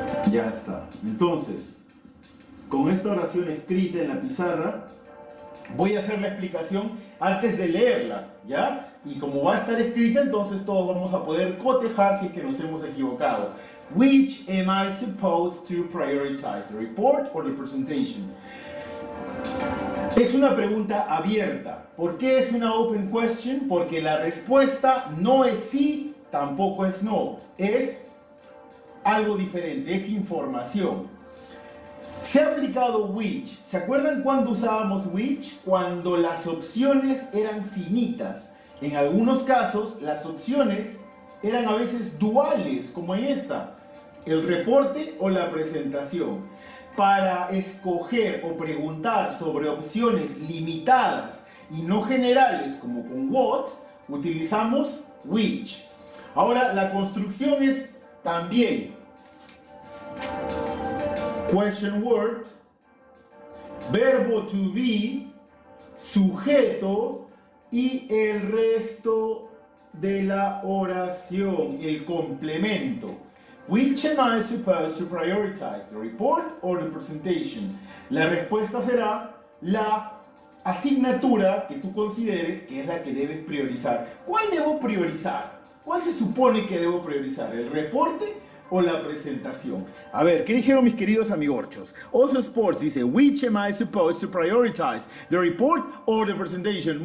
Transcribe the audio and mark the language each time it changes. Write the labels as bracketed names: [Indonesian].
[Spanish] Ya está. Entonces, con esta oración escrita en la pizarra, voy a hacer la explicación antes de leerla, ¿ya? Y como va a estar escrita, entonces todos vamos a poder cotejar si es que nos hemos equivocado. [English] Which am I supposed to prioritize, the report or the presentation? [Spanish] Es una pregunta abierta. ¿Por qué es una open question? Porque la respuesta no es sí, tampoco es no. Es algo diferente, es información. Se ha aplicado which. ¿Se acuerdan cuando usábamos which? Cuando las opciones eran finitas. En algunos casos, las opciones eran a veces duales, como en esta. El reporte o la presentación. Para escoger o preguntar sobre opciones limitadas y no generales, como con what, utilizamos which. Ahora, la construcción es también question word, verbo to be, sujeto y el resto de la oración, el complemento. [English] Which am I supposed to prioritize, the report or the presentation? [Spanish] La respuesta será la asignatura que tú consideres que es la que debes priorizar. ¿Cuál debo priorizar? ¿Cuál se supone que debo priorizar, el reporte o la presentación? A ver, ¿qué dijeron mis queridos amigorchos? [English] Oso Sports dice, which am I supposed to prioritize, the report or the presentation?